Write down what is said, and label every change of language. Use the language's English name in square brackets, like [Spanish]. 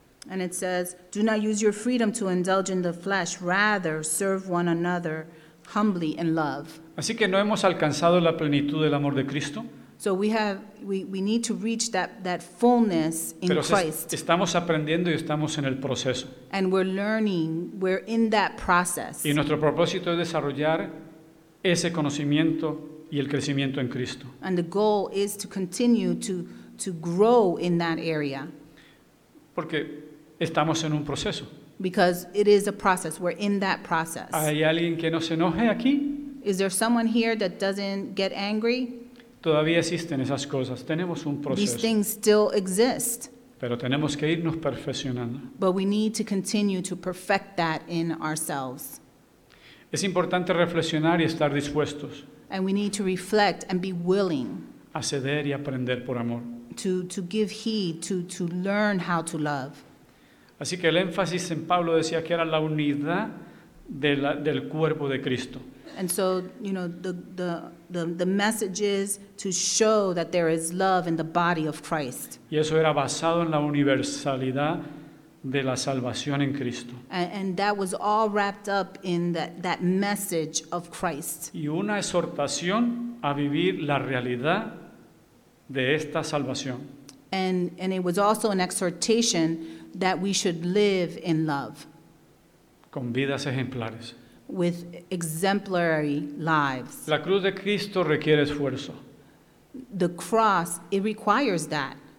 [English] And it says, do not use your freedom to indulge in the flesh, rather serve one another humbly in love. [Spanish] Así que no hemos alcanzado la plenitud del amor de Cristo. [English] So we need to reach that fullness in Christ. [Spanish] Pero estamos aprendiendo y estamos en el proceso. [English] And we're learning, we're in that process. [Spanish] Y nuestro propósito es desarrollar ese conocimiento y el crecimiento en Cristo. [English] And the goal is to continue to grow in that area. [Spanish] Porque estamos en un proceso. [English] Because it is a process. We're in that process. [Spanish] ¿Hay alguien que no se enoje aquí? [English] Is there someone here that doesn't get angry? [Spanish] Todavía existen esas cosas. Tenemos un proceso. [English] These things still exist. [Spanish] Pero tenemos que irnos perfeccionando. [English] But we need to continue to perfect that in ourselves. [Spanish] Es importante reflexionar y estar dispuestos. [English] And we need to reflect and be willing. [Spanish] A ceder y aprender por amor. [English] To give heed, to learn how to love. [Spanish] Así que el énfasis en Pablo decía que era la unidad del cuerpo de Cristo. [English] And so, you know, the message is to show that there is love in the body of Christ. [Spanish] Y eso era basado en la universalidad de la salvación en Cristo. [English] And that was all wrapped up in that message of Christ. [Spanish] Y una exhortación a vivir la realidad de esta salvación. [English] And it was also an exhortation that we should live in love. [Spanish] Con vidas ejemplares. [English] With exemplary lives. [Spanish] La cruz de Cristo requiere esfuerzo. [English] The cross, it requires that.